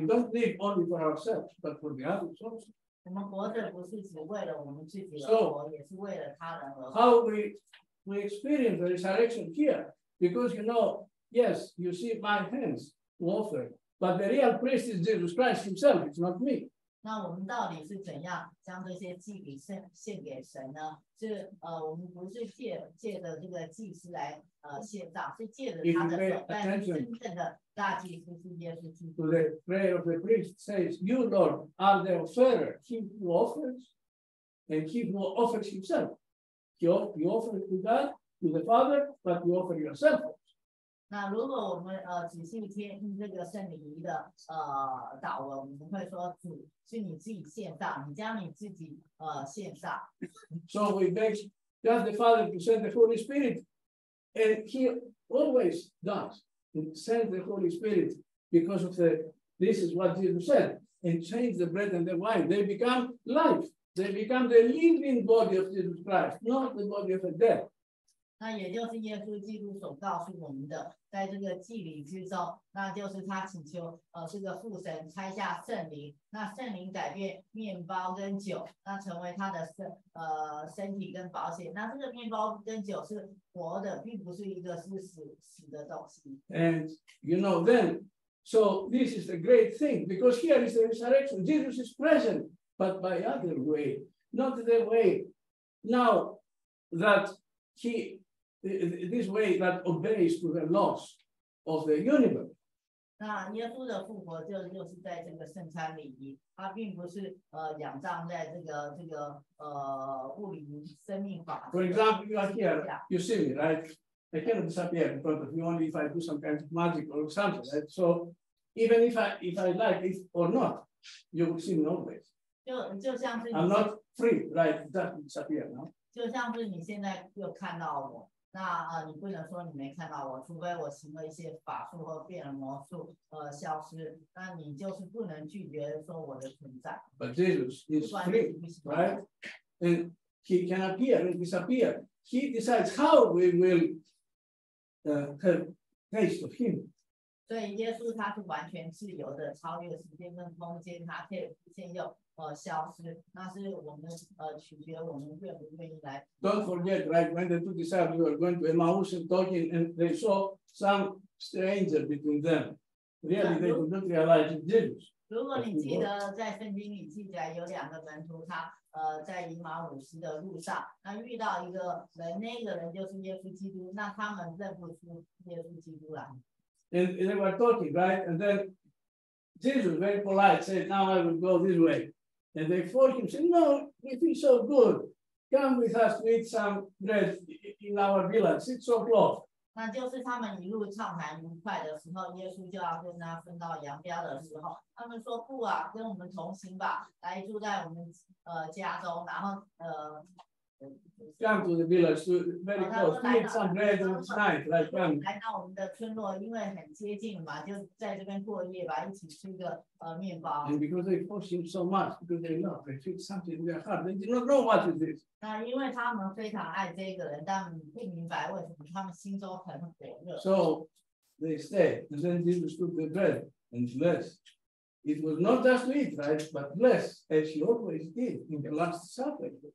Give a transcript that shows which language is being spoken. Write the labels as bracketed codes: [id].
[en] We don't live only for ourselves, but for the others also. [zh] 我们活着不是只为了我们自己而活， [en] so, [zh] 也是为了他人而活。 [en] How we experience the resurrection here? Because you know, yes, you see my hands offer, but the real priest is Jesus Christ himself, it's not me. [zh] 那我们到底是怎样将这些祭品献给神呢？是我们不是借着这个祭司来献上，是借着他的手，但真正的大祭司是耶稣基督。 [en] To the prayer of the priest says, "You Lord are the offerer, He who offers, and He who offers Himself. You offer to God, to the Father, but you offer yourself." [zh] 那如果我们仔细听这个圣礼仪的祷文，我们会说主。是你自己献上，你将你自己献上。 [en] So we beg just the Father to send the Holy Spirit, and He always does send the Holy Spirit because of the this is what Jesus said and change the bread and the wine. They become life. They become the living body of Jesus Christ, not the body of a dead. [zh] 那也就是耶稣基督所告诉我们的，在这个祭礼之中，那就是他请求这个父神拆下圣灵，那圣灵改变面包跟酒，那成为他的身体跟保险。那这个面包跟酒是活的，并不是一个是死的东西。 [en] And you know then, so this is a great thing because here is the resurrection. Jesus is present, but by other way, not the way. Now that he this way that obeys to the laws of the universe. [zh] 那耶稣的复活就是在这个圣餐礼仪，他并不是仰仗在这个物理生命法。 [en] For example, you are here, you see me, right? I cannot disappear in front of you only if I do some kind of magic or something, right? So even if I like it or not, you will see me always. [zh] 就像是 [en] I'm not free, right? That disappear, no? [zh] 就像是你现在又看到我。那你不能说你没看到我，除非我行了一些法术或变了魔术，消失，那你就是不能拒绝说我的存在。 [en] But Jesus is free, right? And he can appear and disappear. He decides how we will have taste of him. [zh] 对，耶稣他是完全自由的，超越时间跟空间，他可以出现又消失，那是我们取决我们愿不愿意来。 [en] Don't forget, right? When the two disciples were going to Emmaus and talking, and they saw some stranger between them, really they did not realize it did. [zh] 如果你记得在圣经里记载，有两个门徒他在以马忤斯的路上，那遇到一个人，那个人就是耶稣基督，那他们认不出耶稣基督来。 [en] And they were talking, right? And then Jesus, very polite, said, now I will go this way. And they forced him, said, no, we feel so good. Come with us to eat some bread in our village. It's so close. [zh] 那就是他们一路畅谈愉快的时候，耶稣就要跟他分道扬镳的时候，他们说不啊，跟我们同行吧，来住在我们家中，然后 [en] Come to the village to very close. We need some bread tonight, like come. [zh] 来到我们的村落，因为很接近嘛，就在这边过夜吧，一起吃个面包。 [en] And because they push him so much, because they love, they feel something in their heart. They do not know what it is. [zh] 那因为他们非常爱这个人，但不明白为什么他们心中很火热。 [en] So they stay, and then Jesus took the bread and blessed. It was not just to eat, right? But bless, as she always did in the Last Supper.